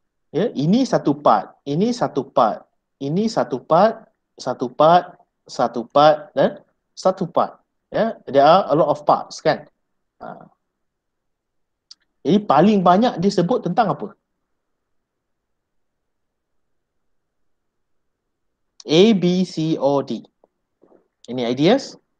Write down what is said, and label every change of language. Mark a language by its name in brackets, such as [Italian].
[Malay] Ya, ini satu part, ini satu part, ini satu part, satu part, satu part, dan satu part. [English] Ya, there are a lot of parts, kan? [Malay] Jadi paling banyak dia sebut tentang apa? [English] A, B, C, O, D. Any ideas?